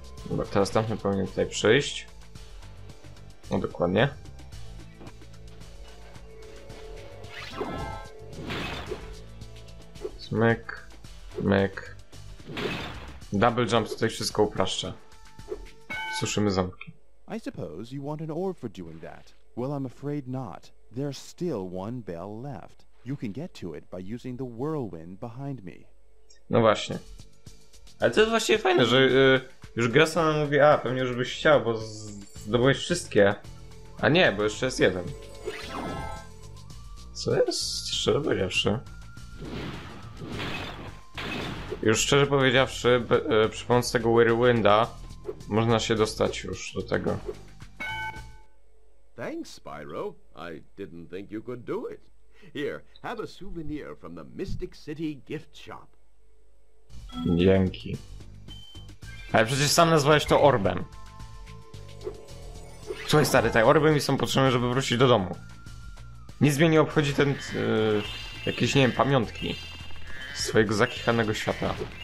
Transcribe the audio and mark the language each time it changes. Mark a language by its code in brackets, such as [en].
[pl] Dobra, teraz tamten powinien tutaj przyjść. No dokładnie. Smyk, myk. Double jump tutaj wszystko upraszcza. Suszymy ząbki. [en] I suppose you want an orb for doing that. Well, I'm afraid not. There's still one bell left. You can get to it by using the whirlwind behind me. [pl] No właśnie. Ale to jest właśnie fajne, że już gra sama mówi, a pewnie już byś chciał, bo zdobyłeś wszystkie. A nie, bo jeszcze jest jeden. Co jest? Szczerze powiedziawszy. Już szczerze powiedziawszy, przy pomocy tego whirlwinda można się dostać już do tego. [en] Thanks, Spyro. I didn't think you could do it. Here, have a souvenir from the Mystic City gift shop. [pl] Dzięki. Ale przecież sam nazwałeś to orbem. Słuchaj, stary, tak, orby mi są potrzebne, żeby wrócić do domu. Nic mnie nie obchodzi ten... jakieś, nie wiem, pamiątki. Z swojego zakichanego świata.